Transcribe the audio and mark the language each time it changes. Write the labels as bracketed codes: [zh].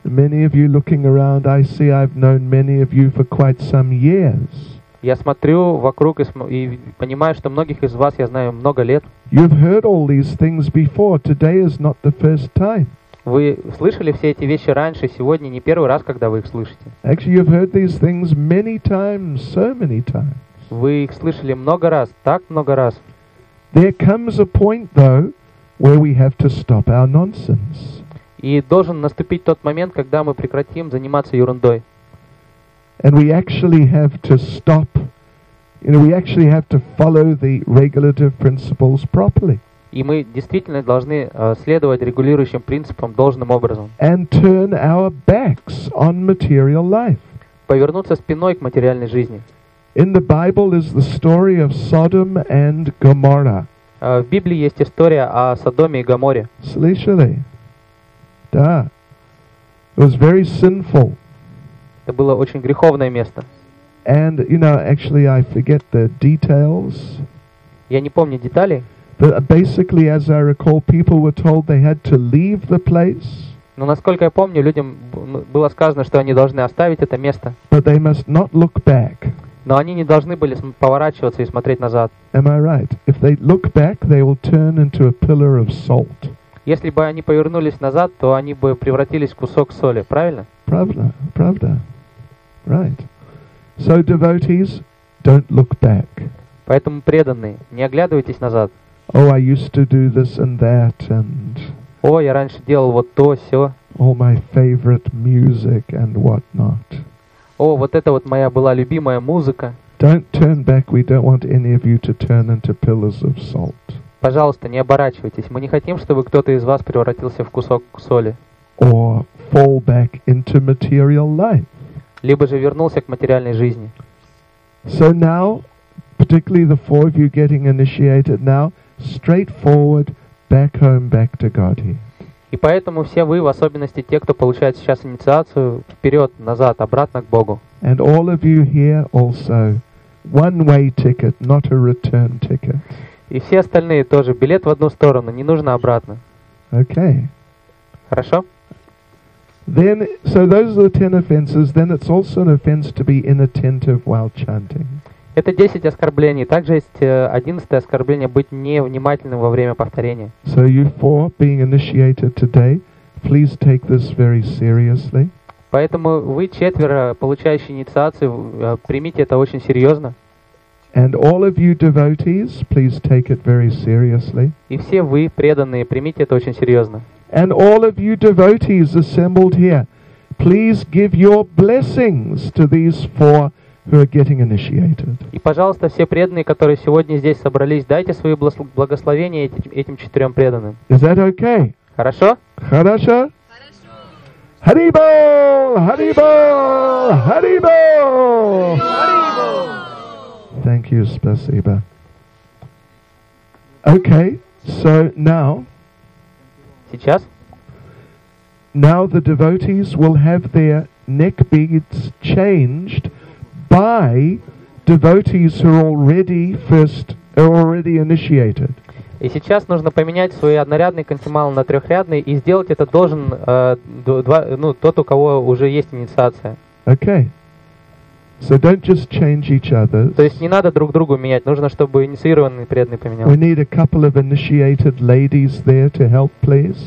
[en] Many of you looking around, I see I've known many of you for quite some years. [ru] Я смотрю вокруг и понимаю, что многих из вас я знаю много лет. [en] You've heard all these things before. Today is not the first time. [ru] Вы слышали все эти вещи раньше, сегодня не первый раз, когда вы их слышите. [en] Actually, you've heard these things many times, so many times. [ru] Вы их слышали много раз, так много раз. [en] There comes a point, though, where we have to stop our nonsense. [ru] И должен наступить тот момент, когда мы прекратим заниматься ерундой. [en] And we actually have to stop. You know, we actually have to follow the regulative principles properly. [ru] И мы действительно должны следовать регулирующим принципам должным образом. [en] And turn our backs on material life. [ru] Повернуться спиной к материальной жизни. [en] In the Bible is the story of Sodom and Gomorrah. [ru] В Библии есть история о Содоме и Гоморре. Слышали? Да. [en] It was very sinful. [ru] Это было очень греховное место. [en] And, you know, actually, I forget the details. [ru] Я не помню деталей. [en] But basically, as I recall, people were told they had to leave the place. [ru] Но, насколько я помню, людям было сказано, что они должны оставить это место. [en] But they must not look back. [ru] Но они не должны были поворачиваться и смотреть назад. [en] Am I right? If they look back, they will turn into a pillar of salt. [ru] Если бы они повернулись назад, то они бы превратились в кусок соли, правильно? Правда, правда. [en] Right. So, devotees, don't look back. [ru] Поэтому, преданные, не оглядывайтесь назад. [en] Oh, I used to do this and that, and... [ru] О, я раньше делал вот то, сё. [en] All my favorite music and whatnot. [ru] О, вот это вот моя была любимая музыка. [en] Don't turn back. We don't want any of you to turn into pillars of salt. [ru] Пожалуйста, не оборачивайтесь. Мы не хотим, чтобы кто-то из вас превратился в кусок соли. [en] Or fall back into material life. [ru] Либо же вернулся к материальной жизни. [en] So now, particularly the four of you getting initiated now, straightforward, back home, back to Godhead. [ru] И поэтому все вы, в особенности те, кто получает сейчас инициацию, вперед, назад, обратно к Богу. [en] And all of you here also, one-way ticket, not a return ticket. [ru] И все остальные тоже, билет в одну сторону, не нужно обратно. [en] Okay. [ru] Хорошо? [en] Then, so those are the 10 offenses. Then it's also an offense to be inattentive while chanting. [ru] Это 10 оскорблений. Также есть 11 оскорбление быть невнимательным во время повторения. [en] So you four being initiated today, please take this very seriously. [ru] Поэтому вы четверо, получающие инициацию, примите это очень серьезно. [en] And all of you devotees, please take it very seriously. [ru] И все вы преданные, примите это очень серьезно. [en] And all of you devotees assembled here, please give your blessings to these four who are getting initiated. [ru] И пожалуйста, все преданные, которые сегодня здесь собрались, дайте свои благословения этим четырем преданным. [en] Is that okay? [ru] Хорошо? Хорошо. Hari Bol! Hari Bol! Hari Bol! [en] Thank you, Spasiba. Okay, so now. [ru] Сейчас. [en] Now the devotees will have their neck beads changed by devotees who are already initiated. [ru] И сейчас нужно поменять свой однорядный кантимал на трехрядный и сделать это должен тот, у кого уже есть инициация. [en] Okay. So don't just change each other. [ru] То есть не надо друг другу менять, нужно, чтобы инициированный преданный поменял. [en] We need a couple of initiated ladies there to help, please.